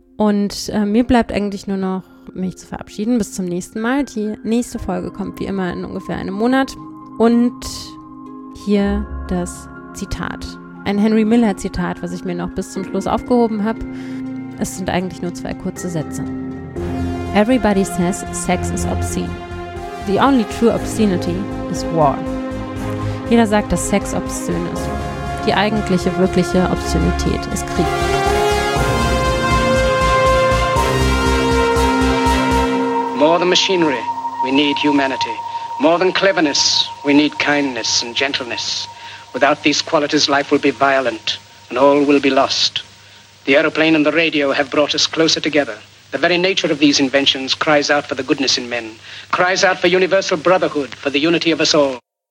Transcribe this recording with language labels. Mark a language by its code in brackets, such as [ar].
[de] Und mir bleibt eigentlich nur noch, mich zu verabschieden. Bis zum nächsten Mal. Die nächste Folge kommt wie immer in ungefähr einem Monat. Und hier das Zitat. Ein Henry Miller Zitat, was ich mir noch bis zum Schluss aufgehoben habe. Es sind eigentlich nur 2 kurze Sätze. [en] "Everybody says sex is obscene. The only true obscenity is war." [de] Jeder sagt, dass Sex obszön ist. Die eigentliche, wirkliche Obszönität ist Krieg. [en] More than machinery, we need humanity. More than cleverness, we need kindness and gentleness. Without these qualities, life will be violent and all will be lost. The aeroplane and the radio have brought us closer together. The very nature of these inventions cries out for the goodness in men, cries out for universal brotherhood, for the unity of us all.